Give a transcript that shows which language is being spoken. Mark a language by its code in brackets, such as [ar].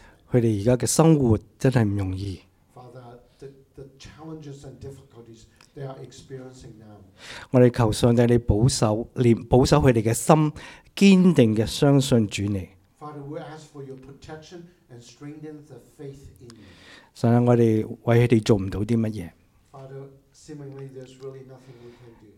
[yue] 佢哋而家嘅生活真系唔容易。 [en] Father, the challenges and difficulties they are experiencing now. [yue] 我哋求上帝你保守，连保守佢哋嘅心，坚定嘅相信主你。 [en] Father, we ask for your protection and strengthen the faith in you. [yue] 神啊，我哋为佢哋做唔到啲乜嘢。 [en] Father, seemingly there's really nothing we can do.